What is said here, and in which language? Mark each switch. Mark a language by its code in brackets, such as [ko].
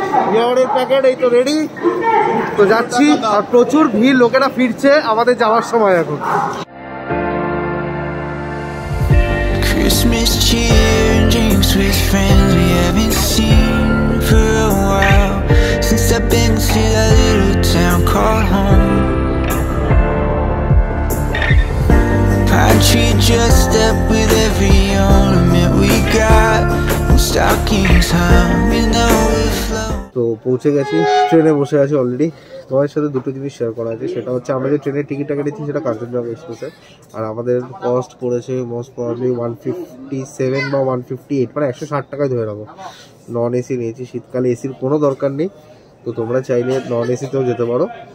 [bn] মিয়াবড়ের packet এই তো ready তো যাচ্ছি আর প্রচুর ভিড় লোকেরা ফিরছে আমাদের যাওয়ার সময় এখন [en] Christmas cheer, drinks with friends we haven't seen for a while. Since I've been to that little town called home. Pine tree dressed up with every ornament we got. And stockings hung in overflow. [bn] তো পৌঁছে গেছি ট্রেনে বসে আছি already তোমাদের সাথে দুটো জিনিস শেয়ার করা আছে সেটা হচ্ছে আমরা যে ট্রেনের টিকিটটা কেটেছি সেটা কাঞ্চনজঙ্ঘা এক্সপ্রেসে আর আমাদের কস্ট পড়েছে মোস্ট প্রবাবলি 157 বা 158 মানে 160 টাকায় ধরে রাখো নন এসি নিয়েছি শীতকালে এসির কোনো দরকার নেই তো তোমরা চাইলে নন এসিতেও যেতে পারো